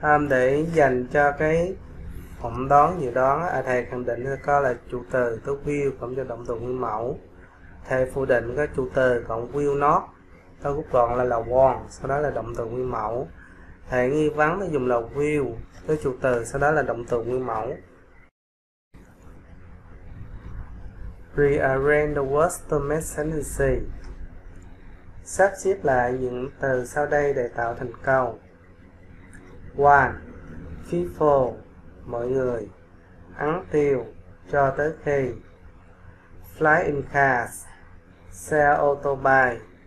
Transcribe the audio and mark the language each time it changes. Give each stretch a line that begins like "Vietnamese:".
Vietnamese: Để dành cho cái phỏng đoán dự đoán, thầy khẳng định có là chủ từ to will cộng cho động từ nguyên mẫu. Thầy phủ định có chủ từ cộng will not, sau rút gọn là want, sau đó là động từ nguyên mẫu. Thầy nghi vấn nó dùng là will với chủ từ, sau đó là động từ nguyên mẫu.
English: Rearrange the words to make sentence.
Vietnamese: Sắp xếp lại những từ sau đây để tạo thành câu. 1. People, mọi người. Ăn tiêu, cho tới khi. Flying cars, xe ô tô bay.